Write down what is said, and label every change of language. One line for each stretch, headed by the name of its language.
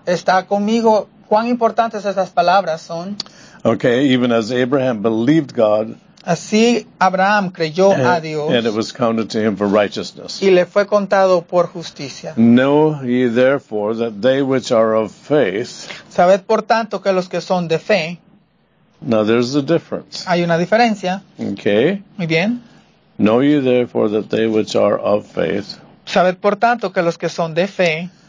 Spanish: ¿Está conmigo? ¿Cuán importantes estas palabras son?
English: Okay, even as Abraham believed God.
Spanish: Así Abraham creyó a Dios.
English: And it was counted to him for righteousness.
Spanish: Y le fue contado por justicia.
English: Know ye therefore that they which are of faith.
Spanish: Sabed por tanto que los que son de fe.
English: Now there's a difference.
Spanish: Hay una diferencia.
English: Okay.
Spanish: Muy bien.
English: Know ye therefore that they which are of faith.
Spanish: Sabed por tanto que los que son de fe.